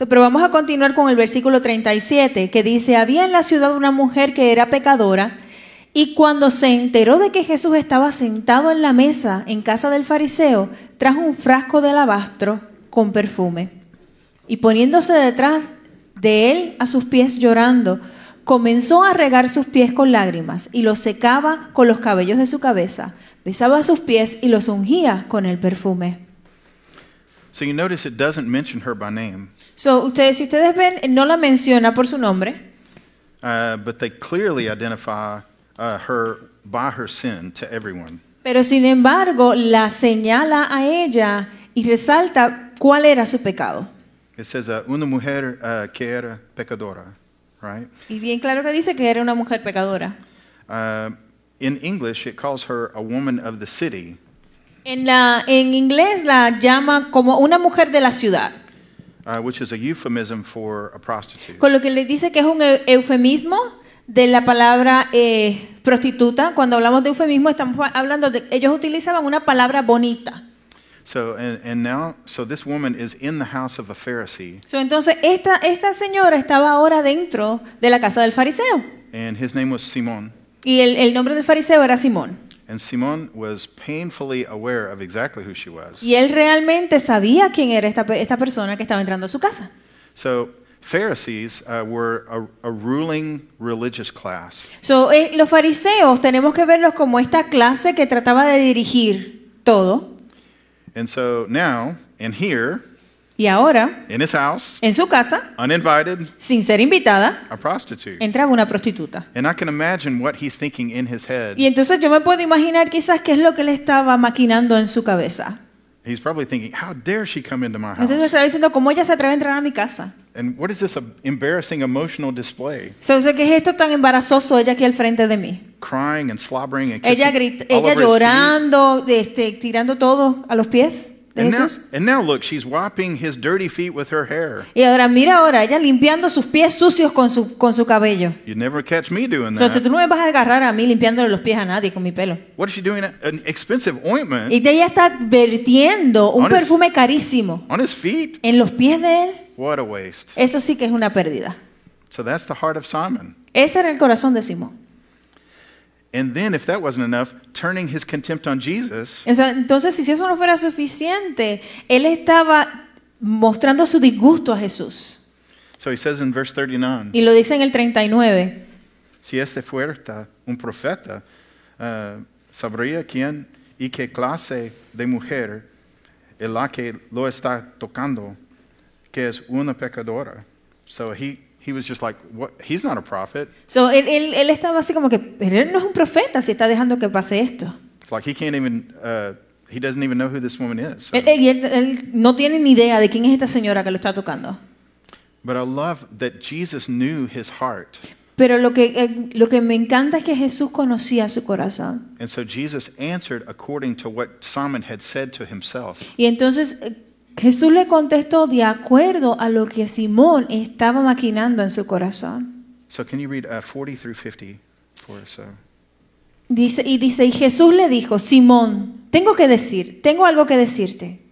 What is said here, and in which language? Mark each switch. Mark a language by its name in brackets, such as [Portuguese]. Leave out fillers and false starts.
[Spanish] Pero vamos a continuar con el versículo 37, que dice, había en la ciudad una mujer que era pecadora, y cuando se enteró de que Jesús estaba sentado en la mesa en casa del fariseo, trajo un frasco de alabastro con perfume. Y poniéndose detrás de él a sus pies llorando, comenzó a regar sus pies con lágrimas y los secaba con los cabellos de su cabeza, besaba sus pies y los ungía con el perfume. [English] So you notice it doesn't mention her by name. [Spanish] So ustedes, si ustedes ven, no la menciona por su nombre. [English] But they clearly identify her by her sin to everyone. [Spanish] Pero sin embargo, la señala a ella y resalta cuál era su pecado. [English] It says [Spanish] una mujer que era pecadora, [English] right? [Spanish] Y bien claro que dice que era una mujer pecadora. [English] In English, it calls her a woman of the city. [Spanish] En inglés la llama como una mujer de la ciudad. [English] Which is a euphemism for a prostitute. [Spanish] Con lo que le dice que es un eufemismo de la palabra prostituta. Cuando hablamos de eufemismo estamos hablando de ellos utilizaban una palabra bonita. [English] So this woman is in the house of a Pharisee. [Spanish] So entonces esta señora estaba ahora dentro de la casa del fariseo. [English] And his name was Simón. [Spanish] Y el nombre del fariseo era Simón. [English] And Simón was painfully aware of exactly who she was. [Spanish] Y él realmente sabía quién era esta persona que estaba entrando a su casa. [English] So Pharisees were a ruling religious class. [Spanish] So los fariseos tenemos que verlos como esta clase que trataba de dirigir todo. [English] And so now, and here, [Spanish] y ahora, [English] in his house, [Spanish] en su casa, [English] uninvited, [Spanish] sin ser invitada, [English] a prostitute. [Spanish] Entraba una prostituta. [English] And I can imagine what he's thinking in his head. [Spanish] Y entonces yo me puedo imaginar quizás qué es lo que él estaba maquinando en su cabeza. [English] He's probably thinking, how dare she come into my house? [Spanish] Estaba diciendo, ¿cómo ella se atreve a entrar a mi casa? [English] And what is this embarrassing emotional display? [Spanish] So, ¿qué es esto tan embarazoso ella aquí al frente de mí? [English] Crying and slobbering and kissing. [Spanish] Ella llorando, tirando todo a los pies de [English] and [Spanish] Jesús. [English] And now look, she's wiping his dirty feet with her hair. [Spanish] Y ahora mira ahora, ella limpiando sus pies sucios con su cabello. [English] You never catch me doing that. [Spanish] So, tú no me vas a agarrar a mí limpiándole los pies a nadie con mi pelo. [English] What is she doing? An expensive ointment. [Spanish] Y ella está vertiendo un perfume carísimo. [English] On his feet. [Spanish] En los pies de él. [English] What a waste. [Spanish] Eso sí que es una pérdida. [English] So that's the heart of Simon. [Spanish] Ese era el corazón de Simón. [English] And then, if that wasn't enough, turning his contempt on Jesus. [Spanish] Entonces, si eso no fuera suficiente, él estaba mostrando su disgusto a Jesús. [English] So he says in verse 39. [Spanish] Y lo dice en el 39. Si este fuera un profeta, sabría quién y qué clase de mujer es la que lo está tocando, que es una pecadora. [English] So he was just like, what? He's not a prophet. [Spanish] So él estaba así como que, pero él no es un profeta si está dejando que pase esto. [English] It's like he can't even, he doesn't even know who this woman is. So. [Spanish] Él no tiene ni idea de quién es esta señora que lo está tocando. [English] But I love that Jesus knew his heart. [Spanish] Pero lo que me encanta es que Jesús conocía su corazón. [English] And so Jesus answered according to what Simon had said to himself. [Spanish] Y entonces Jesús le contestó de acuerdo a lo que Simón estaba maquinando en su corazón. [English] So can you read 40 through 50 for us? [Spanish] Dice, y Jesús le dijo, Simón, tengo algo que decirte.